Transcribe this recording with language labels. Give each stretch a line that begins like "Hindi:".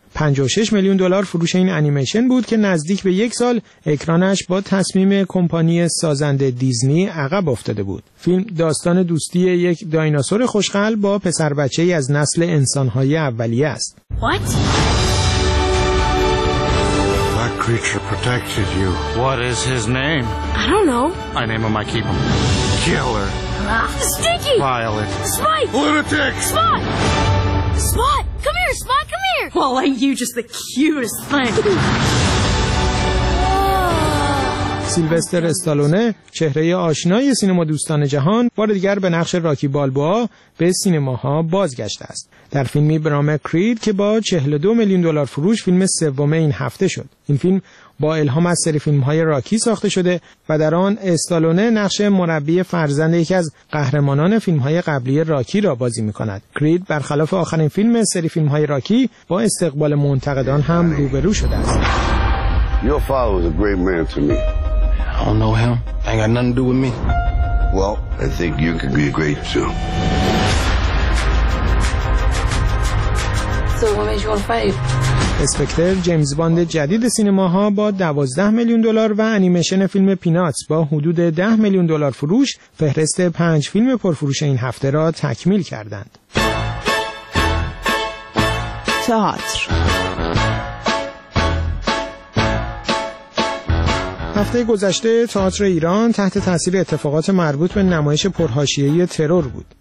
Persian: 56 میلیون دلار فروش این انیمیشن بود که نزدیک به یک سال اکرانش با تصمیم کمپانی سازنده دیزنی عقب افتاده بود. فیلم داستان دوستی یک دایناسور خوشقل با پسر بچه ای از نسل انسانهای اولیه است.
English: What? Creature protected you. What is his name? I don't know. I name him, I keep him. Killer. Stinky. Violet. Spike. Lunatic. Spot. Spot. Come here, Spot, come here. Well, ain't you just the cutest thing?
Persian: سیلوستر استالونه، چهره آشنای سینما دوستان جهان، بار دیگر به نقش راکی بالبوا به سینماها بازگشته است. در فیلمی به نام کرید که با 42 میلیون دلار فروش فیلم سوم این هفته شد. این فیلم با الهام از سری فیلم‌های راکی ساخته شده و در آن استالونه نقش مربی فرزند یکی از قهرمانان فیلم‌های قبلی راکی را بازی می‌کند. کرید برخلاف آخرین فیلم سری فیلم‌های راکی با استقبال منتقدان هم روبرو شده است.
English: Your father was a great man to me. I don't know him. Ain't got nothing to do with me. Well, I think you could be great too. So what made you want to fight?
Persian: اسپکتر جیمز باند جدید سینماها با 12 میلیون دلار و انیمیشن فیلم پیناتس با حدود 10 میلیون دلار فروش فهرست 5 فیلم پرفروش این هفته را تکمیل کردند. تئاتر هفته گذشته تئاتر ایران تحت تاثیر اتفاقات مربوط به نمایش پرحاشیه‌ای ترور بود.